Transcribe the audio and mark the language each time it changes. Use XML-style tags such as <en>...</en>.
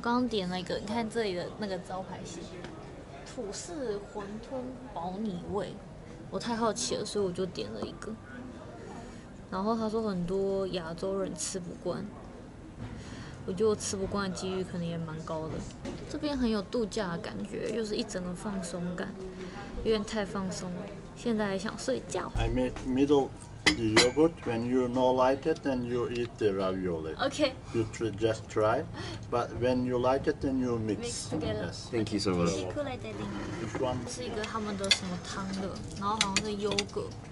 <zh>点了一个，你看这里的那个招牌写土式馄饨保你味，我太好奇了，所以我就点了一个。然后他说很多亚洲人吃不惯，我觉得我吃不惯的几率可能也蛮高的。这边很有度假的感觉，又是一整个放松感，有点太放松了，现在还想睡觉。</zh> <en>I made middle yogurt. When you not like it, then you eat the ravioli. Okay. You just try. But when you like it, then you mix. Yes. Thank you so much.</en> <zh>是一个他们的什么汤的，然后好像是优格。</zh>